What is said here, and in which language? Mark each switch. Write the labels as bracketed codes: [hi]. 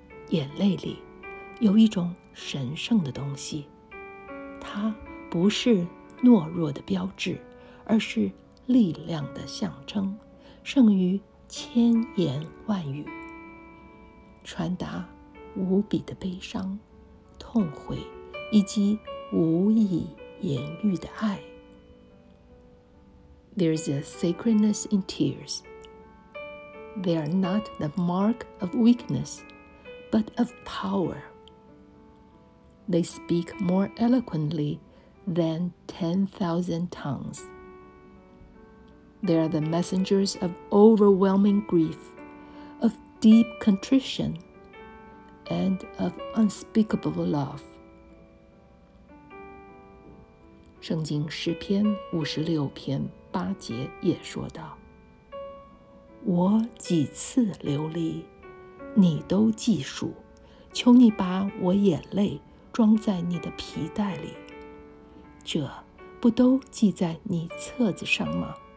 [zh] 眼泪里有一种神圣的东西，它不是懦弱的标志，而是力量的象征，胜于千言万语，传达无比的悲伤、痛悔以及无以言喻的爱。 [en] There is a sacredness in tears. They are not the mark of weakness, but of power. They speak more eloquently than 10,000 tongues. They are the messengers of overwhelming grief, of deep contrition,and of unspeakable love. [zh] 圣经诗篇五十六篇八节也说道，我几次流离你都记数，求你把我眼泪装在你的皮带里，这不都记在你册子上吗？